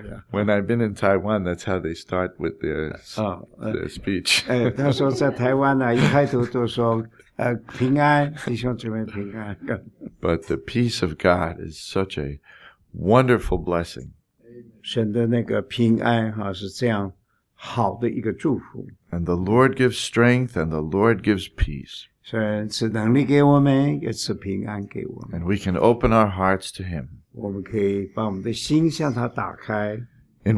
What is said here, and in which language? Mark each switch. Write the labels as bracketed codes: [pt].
[en] When I've been in Taiwan, that's how they start with their speech. [zh] 他说在台湾呢，一开头都说平安，弟兄姊妹平安。 [en] But the peace of God is such a wonderful blessing. [zh] 神的那个平安是这样好的一个祝福。 [en] And the Lord gives strength and the Lord gives peace. [zh] 神赐能力给我们，也赐平安给我们。 [en] And we can open our hearts to Him. [zh] 我们可以把我们的心向他打开。In